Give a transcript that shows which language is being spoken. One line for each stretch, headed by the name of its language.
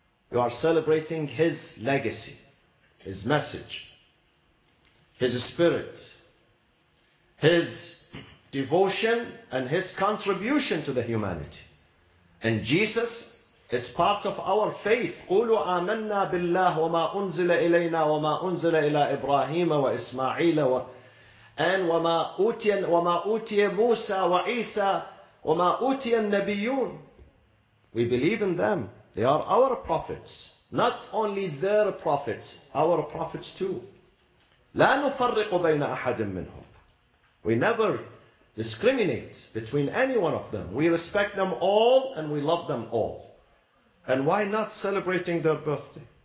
English: You are celebrating his legacy, his message, his spirit, his devotion, and his contribution to the humanity. And Jesus is part of our faith.
Arabic: قُلُوا آمَنَّا بِاللَّهِ وَمَا أُنزِلَ إِلَيْنَا وَمَا أُنزِلَ إِلَىٰ إِبْرَاهِيمَ وَإِسْمَعِيلَ
English: And
Arabic: وَمَا أُوتِيَ مُوسَى وَعِيسَى وَمَا أُوتِيَ النَّبِيُّونَ
English: We believe in them. They are our prophets. Not only their prophets, our prophets too.
Arabic: لَا نُفَرِّقُ بَيْنَ أَحَدٍ مِّنْهُمْ
English: We never discriminate between any one of them. We respect them all and we love them all. And why not celebrating their birthday?